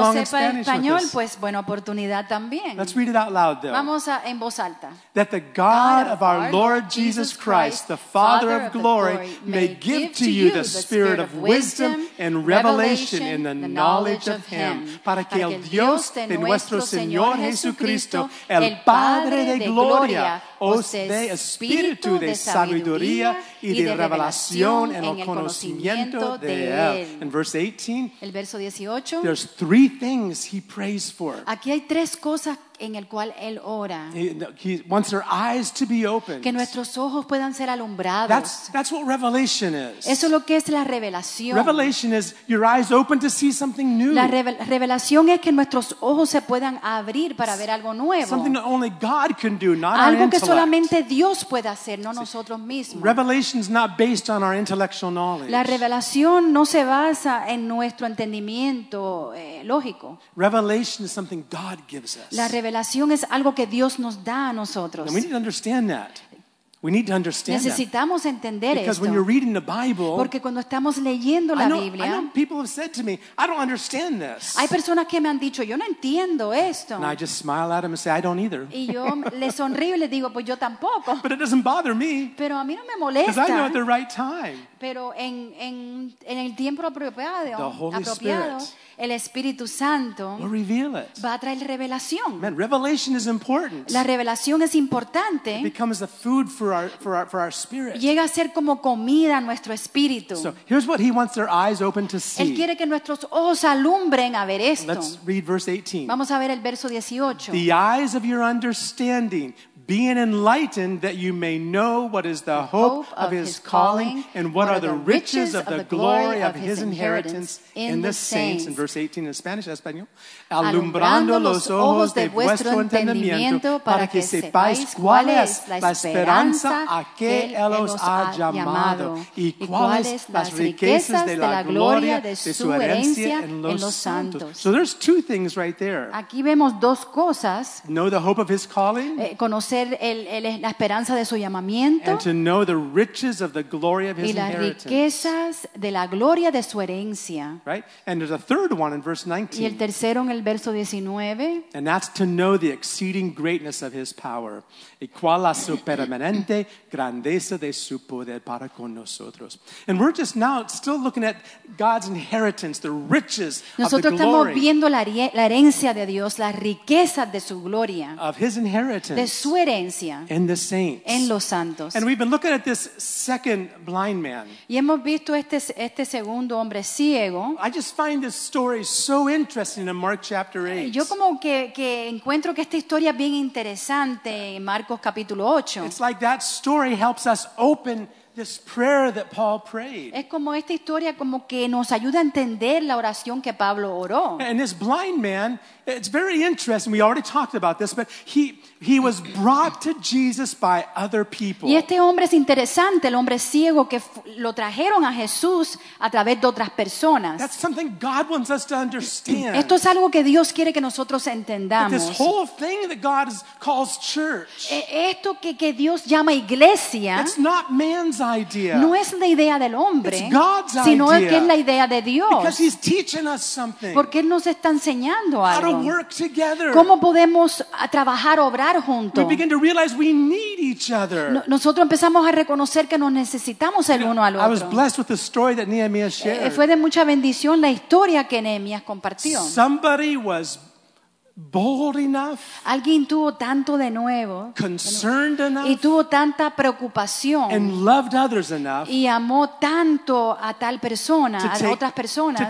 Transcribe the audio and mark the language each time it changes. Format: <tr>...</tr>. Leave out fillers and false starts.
<en>along</en> <es>sepa</es> <en>in Spanish</en> <es>español,</es> <en>with</en> <es>pues buena oportunidad también.</es> <en>Let's read it out loud, though.</en> <es>Vamos a, en voz alta.</es> <en>That the God of our Lord Jesus Christ, the Father of glory, may give to you the spirit of wisdom and revelation in the knowledge of Him.</en> <es>Para que el Dios de nuestro Señor Jesucristo, el Padre de gloria, os dé espíritu de sabiduría y de revelación en el conocimiento de Él.</es> <en>In verse 18,</en> <es>el verso 18,</es> <en>there's three things he prays for.</en> <es>Aquí hay tres cosas en el cual él ora.</es> <en>He wants their eyes to be opened.</en> <es>Que nuestros ojos puedan ser alumbrados.</es> <en>That's what revelation is.</en> <es>Eso es lo que es la revelación.</es> <en>Revelation is your eyes open to see something new.</en> <es>La revelación es que nuestros ojos se puedan abrir para ver algo nuevo.</es> <en>Something that only God can do, not</en> <es>algo</es> <en>our intellect.</en> <es>Que solamente Dios puede hacer, no nosotros mismos.</es> <en>Revelation is not based on our intellectual knowledge.</en> <es>La revelación no se basa en nuestro entendimiento lógico.</es> <en>Revelation is something God gives us.</en> <es>Revelación es algo que Dios nos da a nosotros.</es> <en>And we need to understand that. We need to understand</en> <es>necesitamos</es> <en>that.</en> <es>Entender</es> <en>because</en> <es>esto.</es> <en>When you're reading the Bible,</en> <es>porque cuando estamos leyendo la Biblia,</es> <en>I know people have said to me, I don't understand this.</en> <es>Hay personas que me han dicho, yo no entiendo esto.</es> <en>And I just smile at them and say, I don't either.</en> <es>Y yo le sonrío y le digo, pues yo tampoco.</es> <en>But it doesn't bother me.</en> <es>Pero a mí no me molesta.</es> <en>Because I know at the right time.</en> <es>Pero en el tiempo apropiado,</es> <en>the Holy</en> <es>apropiado,</es> <en>Spirit.</en> <es>El Espíritu Santo</es> <en>will reveal it.</en> <es>Va a traer revelación.</es> <en>Man, revelation is important.</en> <es>La revelación es importante.</es> <en>It becomes the food for our spirit.</en> <es>Llega a ser como comida a nuestro espíritu.</es> <en>So here's what he wants their eyes open to see.</en> <es>Él quiere que nuestros ojos alumbren a ver esto.</es> <en>Let's read verse 18.</en> <es>Vamos a ver el verso 18.</es> <en>The eyes of your understanding being enlightened that you may know what is the hope of his calling and what are the riches of the glory of his inheritance in the saints. In verse 18 in Spanish, Español.</en> <es>Alumbrando los ojos de vuestro entendimiento para que sepáis cuál es la esperanza a que él os ha llamado y cuáles las riquezas de la gloria de su herencia en los santos.</es> <en>So there's two things right there.</en> <es>Aquí vemos dos cosas.</es> <en>Know the hope of his calling.</en> <es>La esperanza de su llamamiento y las riquezas de la gloria de su herencia.</es> <en>Right? And there's a third one in verse 19.</en> <es>Y el tercero en el verso 19.</es> <en>And that's to know the exceeding greatness of his power.</en> <es>Y cuál la supermanente grandeza de su poder para con nosotros.</es> <en>And we're just now still looking at God's inheritance, the riches of the glory.</en> <es>Nosotros estamos viendo la herencia de Dios, las riquezas de su gloria.</es> <en>Of his inheritance.</en> <es>De su herencia.</es> <en>In the saints.</en> <es>En los santos.</es> <en>And we've been looking at this second blind man.</en> <es>Y hemos visto este segundo hombre ciego.</es> <en>I just find this story so interesting in Mark chapter 8.</en> <es>Yo como que encuentro que esta historia es bien interesante en Marcos capítulo 8.</es> <en>It's like that story helps us open this prayer that Paul prayed.</en> <es>Es como esta historia como que nos ayuda a entender la oración que Pablo oró.</es> <en>And this blind man, it's very interesting. We already talked about this, but he was brought to Jesus by other people.</en> <es>Y este hombre es interesante, el hombre ciego que lo trajeron a Jesús a través de otras personas.</es> <en>That's something God wants us to understand.</en> <es>Esto es algo que Dios quiere que nosotros entendamos.</es> <en>But this whole thing that God calls church.</en> <es>Esto que Dios llama iglesia.</es> <en>It's not man's idea.</en> <es>No es la idea del hombre.</es> <en>It's God's idea.</en> <es>Sino que es la idea de Dios.</es> <en>Because he's teaching us something.</en> <es>Porque él nos está enseñando algo.</es> <en>How to work together.</en> <es>¿Cómo podemos trabajar obrar juntos?</es> <en>We begin to realize we need each other.</en> <es>Nosotros empezamos a reconocer que nos necesitamos el uno al otro.</es> <en>I was blessed with the story that Nehemiah shared.</en> <es>Fue de mucha bendición la historia que Nehemiah compartió.</es> <en>Somebody was bold enough,</en> <es>alguien tuvo tanto de nuevo,</es> <en>concerned enough,</en> <es>y tuvo tanta preocupación,</es> <en>and loved others enough,</en> <es>y amó tanto a tal persona, a otras personas,</es>